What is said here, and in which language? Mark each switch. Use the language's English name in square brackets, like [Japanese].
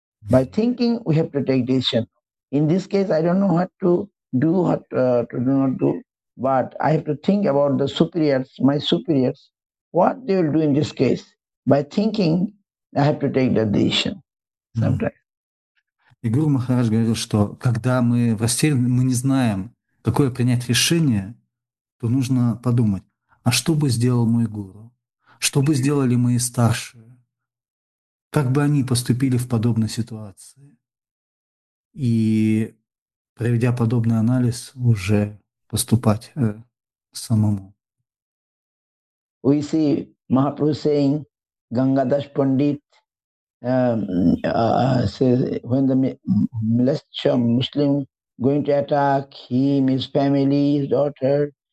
[English] By thinking, we have to take decision. In this case, I don't know what to do, what to do not do. But I have to think about the superiors, my superiors, what they will do in this case. By thinking, I have to take the decision sometimes. [Russian] И Гуру Махарадж говорил, что когда мы в растерянности, мы не знаем, какое принять решение, то нужно подумать, а что бы сделал мой гуру? Что бы сделали мои старшие? Как бы они поступили в подобной ситуации? И проведя подобный анализ, уже [English] We see Mahaprabhu saying, Gangadas Pandit says, when the Muslim going to attack him, his family, his daughter,